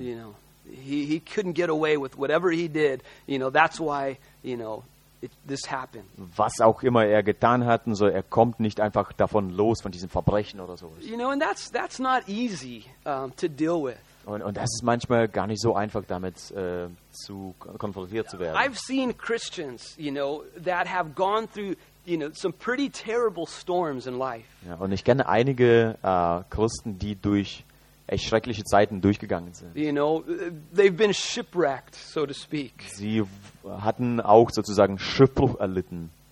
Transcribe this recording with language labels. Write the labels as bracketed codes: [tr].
[en] You know, he couldn't get away with whatever he did. You know, that's why, you know, this happened. [de] Was auch immer er getan hat, und so, er kommt nicht einfach davon los, von diesem Verbrechen oder sowas. [en] You know, and that's not easy to deal with. [de] Und das ist manchmal gar nicht so einfach, damit zu konfrontiert zu werden. [en] I've seen Christians, you know, that have gone through, you know, some pretty terrible storms in life. [de] Ja, und ich kenne einige Christen, die durch echt schreckliche Zeiten durchgegangen sind. [en] You know, they've been shipwrecked, so to speak. [de] Sie hatten auch sozusagen Schiffbruch erlitten.